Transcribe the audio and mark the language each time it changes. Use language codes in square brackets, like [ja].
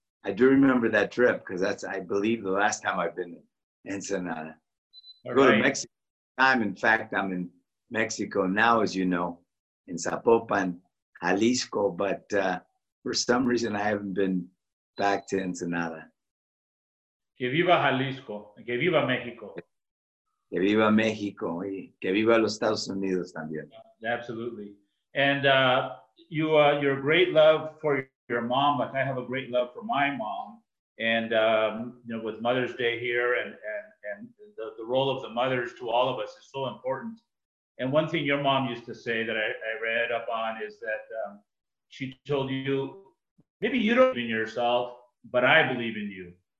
[en] I do remember that trip, because that's, I believe, the last time I've been in Ensenada. Go to Mexico. In fact, I'm in Mexico now, as you know, in Zapopan, Jalisco, but for some reason I haven't been back to Ensenada. [es] Que viva Jalisco, que viva Mexico. Que viva Mexico, y que viva los Estados Unidos también. [en] Absolutely. And you, your great love for your mom, like I have a great love for my mom, and you know, with Mother's Day here, and the role of the mothers to all of us is so important. And one thing your mom used to say that I read up on is that she told you, maybe you don't believe in yourself, but I believe in you.